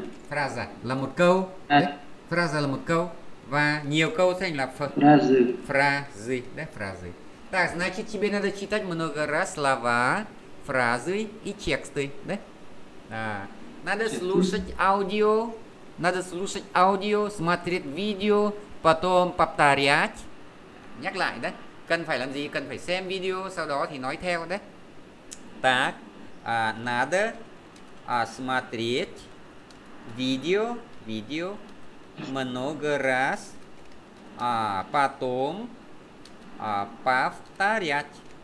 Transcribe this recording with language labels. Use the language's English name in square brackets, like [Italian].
[Vietnamese] Фраза là một câu. Фраза là một câu. Và nhiều câu thành là [Russian] фразы. Фразы. [Vietnamese] Đấy, [Russian] фразы. Так, значит, тебе надо читать много раз слова, фразы и тексты, да? Да. Надо слушать аудио, смотреть видео, потом повторять. [Vietnamese] Nhắc lại đấy, cần phải làm gì? Cần phải xem video, sau đó thì nói theo đấy. [Russian] Так, надо смотреть видео, много раз, потом повторять.